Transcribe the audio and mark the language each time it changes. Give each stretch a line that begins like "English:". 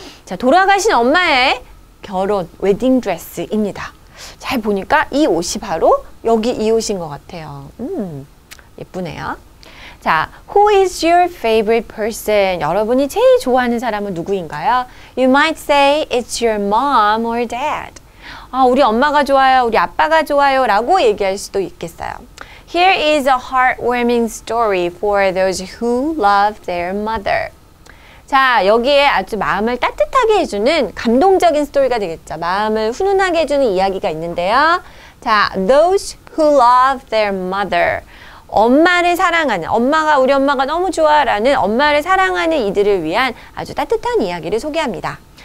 Korean: 자, 돌아가신 엄마의 결혼, 웨딩 드레스입니다. 잘 보니까 이 옷이 바로 여기 이 옷인 것 같아요. 예쁘네요.
English: 자, Who is your favorite person?
Korean: 여러분이 제일 좋아하는 사람은 누구인가요?
English: You might say it's your mom or dad.
Korean: 아, 우리 엄마가 좋아요, 우리 아빠가 좋아요 라고 얘기할 수도 있겠어요.
English: Here is a heartwarming story for those who love their mother.
Korean: 자, 여기에 아주 마음을 따뜻하게 해주는 감동적인 스토리가 되겠죠. 마음을 훈훈하게 해주는 이야기가 있는데요.
English: 자, those who love their mother.
Korean: 엄마를 사랑하는, 엄마가 우리 엄마가 너무 좋아라는 엄마를 사랑하는 이들을 위한 아주 따뜻한 이야기를 소개합니다.